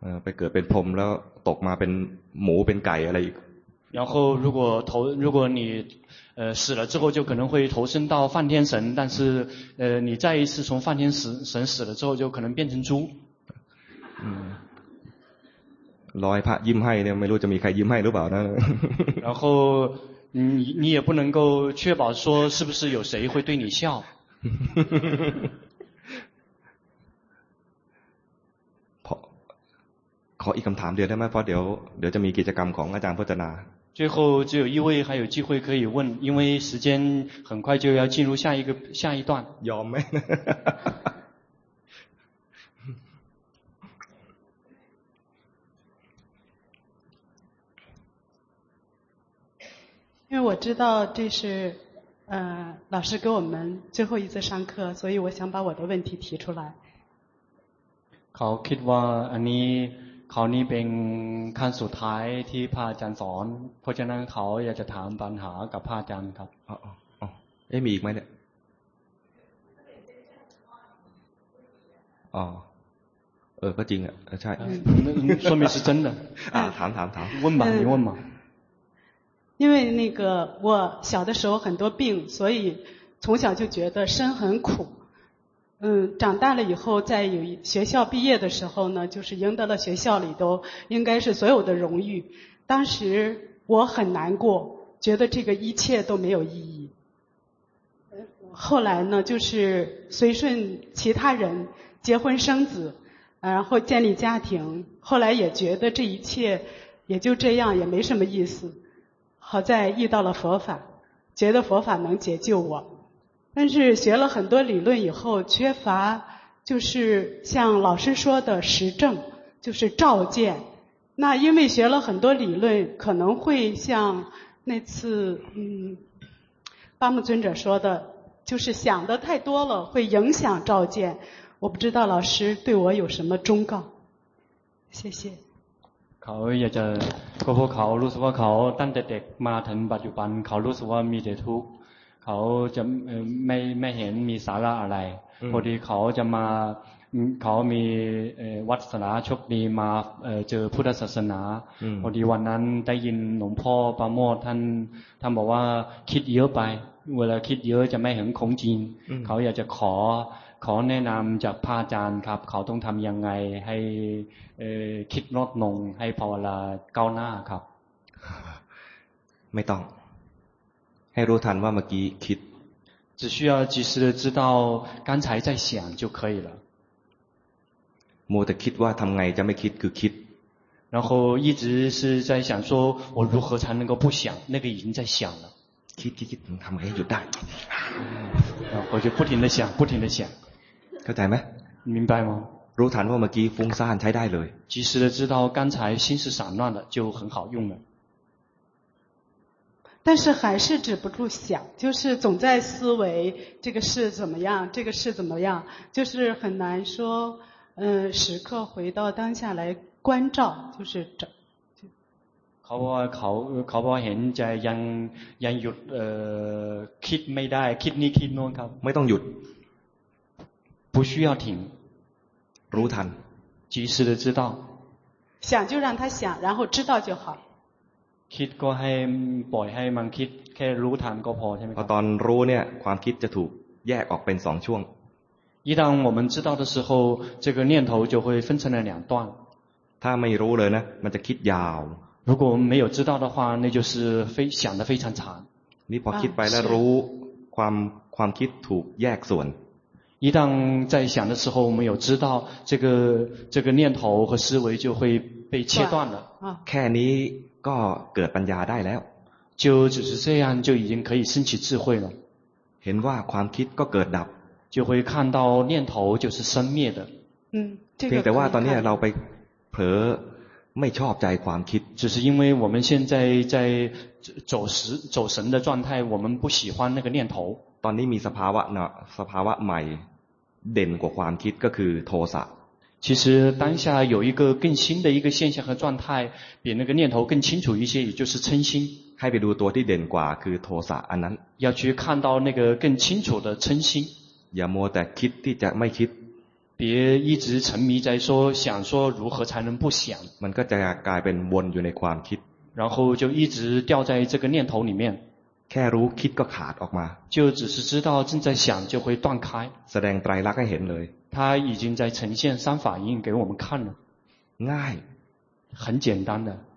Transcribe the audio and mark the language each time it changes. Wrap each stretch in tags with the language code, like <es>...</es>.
<th>ไปเกิดเป็นพรหมแล้วตกมาเป็นหมูเป็นไก่อะไรอีก</th> <zh>然后如果你死了之后就可能会投身到梵天神但是你再一次从梵天神死了之后就可能变成猪</zh> <th>ร้อยพระยิ้มให้เนี่ยไม่รู้จะมีใครยิ้มให้หรือเปล่านะ</th> <zh>然后你也不能够确保说是不是有谁会对你笑</zh> <th>ขออีกคำถามเดียวได้ไหมเพราะเดี๋ยวจะมีกิจกรรมของอาจารย์พจนา</th> <zh>最后只有一位还有机会可以问因为时间很快就要进入下一段</zh> <th>ยอมไหม</th> <zh>因为我知道这是老师给我们最后一次上课，所以我想把我的问题提出来。</zh> <th>เขาคิดว่าอันนี้คราวนี้เป็นครั้งสุดท้ายที่พระอาจารย์สอนเพราะฉะนั้นเขาอยากจะถามปัญหากับพระอาจารย์ครับ เอ๊ะมีอีกไหมเนี่ยก็จริงอ่ะใช่</th> <zh>说明是真的</zh> <th>ถาม</th> <zh>问吧你问吧因为那个我小的时候很多病，所以从小就觉得生很苦。长大了以后，在有学校毕业的时候呢，就是赢得了学校里头应该是所有的荣誉。当时我很难过，觉得这个一切都没有意义。后来呢，就是随顺其他人结婚生子，然后建立家庭。后来也觉得这一切也就这样，也没什么意思。好在遇到了佛法，觉得佛法能解救我，但是学了很多理论以后，缺乏就是像老师说的实证，就是照见。那因为学了很多理论，可能会像那次巴木尊者说的，就是想的太多了，会影响照见。我不知道老师对我有什么忠告，谢谢。</zh> <th>เขาอยากจะก็เพราะเขารู้สึกว่าเขาตั้งแต่เด็กมาถึงปัจจุบันเขารู้สึกว่ามีแต่ทุกข์เขาจะ ไม่เห็นมีสาระอะไรพอดีเขาจะมาเขามีวัฒนาโชคดีมาเจอพุทธศาสนาพอดีวันนั้นได้ยินหลวงพ่อประโมทท่านบอกว่าคิดเยอะไปเวลาคิดเยอะจะไม่เห็นของจริงเขาอยากจะขอแนะนำจากพระอาจารย์ครับเขาต้องทำยังไงให้คิดลดลงให้พอเวลาก้าวหน้าครับ ไม่ต้องให้รู้ทันว่าเมื่อกี้คิด</th> <zh>只需要及时的知道刚才在想就可以了</zh> <th>มัวแต่คิดว่าทำไงจะไม่คิดคือคิด</th> <zh>然后一直是在想说我如何才能够不想那个已经在想了</zh> <th>คิดทำไงให้หยุดได้</th> <zh>我就不停的想不停的想</zh> <th>เข้าใจไหม</th> <zh>明白吗</zh> <th>รู้ทันว่าเมื่อกี้ฟุ้งซ่านใช้ได้เลย</th> <zh>及时的知道刚才心是散乱的就很好用了但是还是止不住想就是总在思维这个是怎么样这个是怎么样就是很难说时刻回到当下来关照就是整</zh> <th>เขาบอกเห็นใจยังหยุดคิดไม่ได้คิดนี่คิดโน้นครับ ไม่ต้องหยุด</th> <zh>不需要停</zh> <th>รู้ทัน</th> <zh>及时的知道想就让他想然后知道就好</zh> <th>คิดก็ให้ปล่อยให้มันคิดแค่รู้ทันก็พอใช่ไหมครับพอตอนรู้เนี่ยความคิดจะถูกแยกออกเป็นสองช่วง</th> <zh>一旦我们知道的时候这个念头就会分成了两段</zh> <th>ถ้าไม่รู้เลยนะมันจะคิดยาว</th> <zh>如果没有知道的话那就是非想得非常长你把</zh> <th>คิดไปแล้วรู้ความคิดถูกแยกส่วน</th> <zh>一旦在想的时候没有知道这个念头和思维就会被切断了</zh> <th>แค่นี้ก็เกิดปัญญาได้แล้ว</th> <zh>就只是这样就已经可以升起智慧了</zh> <th>เห็นว่าความคิดก็เกิดดับ</th> <zh>就会看到念头就是生灭的这个</zh> <th>แต่ว่าตอนนี้เราไปเผลอไม่ชอบใจความคิด</th> <zh>只是因为我们现在在走神的状态我们不喜欢那个念头</zh> <th>ตอนนี้มีสภาวะนะสภาวะใหม่เด่นกว่าความคิดก็คือโทสะ</th> <zh>其实当下有一个更新的一个现象和状态比那个念头更清楚一些也就是嗔心</zh> <th>ให้ไปดูตัวที่เด่นกว่าคือโทสะอันนั้น</th> <zh>要去看到那个更清楚的嗔心</zh> <th>อย่ามัวแต่คิดที่จะไม่คิด</th> <zh>别一直沉迷在说想说如何才能不想</zh> <th>มันก็จะกลายเป็นวนอยู่ในความคิด</th> <zh>然后就一直掉在这个念头里面</zh> <th>แค่รู้คิดก็ขาดออกมา</th> <zh>就只是知道正在想就会断开</zh> <th>แสดงไตรลักษณ์ให้เห็นเลย</th> <zh>他已经在呈现三法印给我们看了</zh> <th>ง่าย</th> <zh>很简单的</zh>